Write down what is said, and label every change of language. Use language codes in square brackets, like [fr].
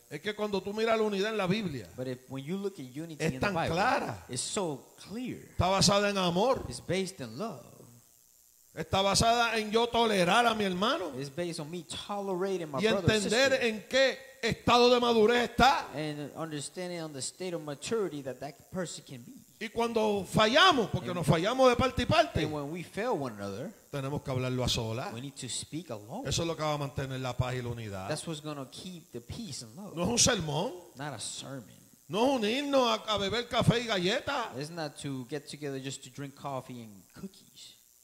[es] Es que cuando tú miras la unidad en la Biblia, [en] but if, when you look at unity [es] es [en] in [es] tan [en] the Bible, [es] clara. [en] It's so clear. [es] Está basada en amor. [en] It's based in love. [es] Está basada en yo tolerar a mi hermano. [en] It's based on me tolerating my [es] y entender en qué estado de madurez está. [en] And understanding on the state of maturity that that person can be. [es] Y cuando fallamos, porque nos fallamos de parte y parte, [en] and when we fail one another, [es] tenemos que hablarlo a solas. [en] We need to speak alone. [es] Eso es lo que va a mantener la paz y la unidad. [en] That's what's going to keep the peace and love. [es] No es un sermón. [en] Not a sermon. [es] No es unirnos a beber café y galletas. [en] It's not to get together just to drink coffee and cookies.